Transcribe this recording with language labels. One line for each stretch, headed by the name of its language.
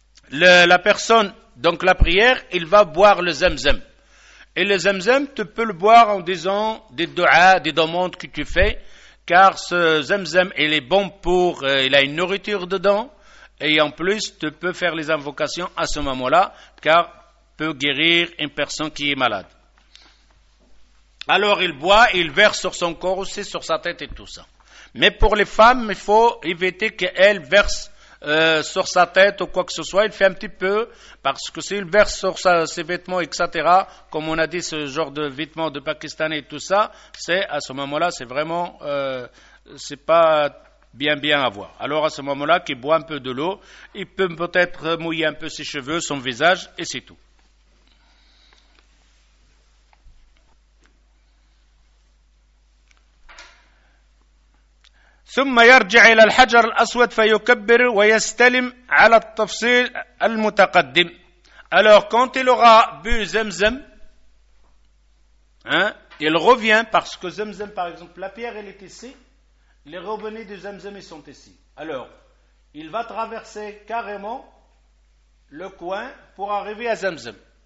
French: la personne donc la prière il va boire le zamzam et le zamzam tu peux le boire en disant des dua des demandes que tu fais car ce zemzem, il est bon pour, il a une nourriture dedans, et en plus, tu peux faire les invocations à ce moment-là, car peut guérir une personne qui est malade. Alors, il boit, il verse sur son corps aussi, sur sa tête et tout ça. Mais pour les femmes, il faut éviter qu'elles versent sur sa tête ou quoi que ce soit, il fait un petit peu, parce que s'il verse sur ses vêtements, etc., comme on a dit, ce genre de vêtements de Pakistanais et tout ça, c'est à ce moment-là, c'est vraiment, c'est pas bien à voir. Alors à ce moment-là, qu'il boit un peu de l'eau, il peut peut-être mouiller un peu ses cheveux, son visage, et c'est tout.
Arabic: ثم يرجع إلى الحجر الأسود فيكبر ويستلم على التفصيل المتقدم.
French: Alors quand il aura bu zemzem, il revient parce que zemzem, par exemple, la pierre elle est ici, les revenus du zemzem ils sont ici. Alors il va traverser carrément le coin pour arriver à zemzem.